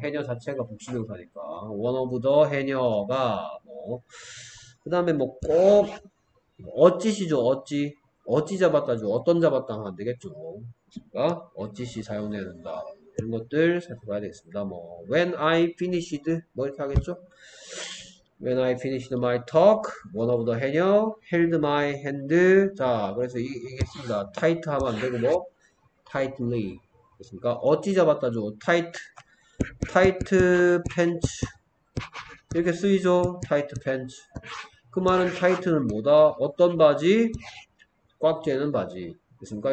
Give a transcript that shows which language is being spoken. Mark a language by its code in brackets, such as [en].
[ko] 해녀 자체가 복수명사니까. [en] One of the [ko] 해녀가 뭐. 그다음에 뭐꼭 어찌시죠. 어찌. 어찌 잡았다죠. 어떤 잡았다 하면 되겠죠. 그러니까 어찌시 사용된다. 이런 것들 살펴봐야 되겠습니다. 뭐, [en] when I finished, [ko] 뭐 이렇게 하겠죠? [en] When I finished my talk, one of the 해녀 held my hand. [ko] 자, 그래서 얘기했습니다. tight 하면 되고, 뭐, tightly. 그러니까 어찌 잡았다죠? [en] tight pants. [ko] 이렇게 쓰이죠? [en] tight pants. [ko] 그 말은 tight는 뭐다? 어떤 바지? 꽉 쬐는 바지. 그렇습니까?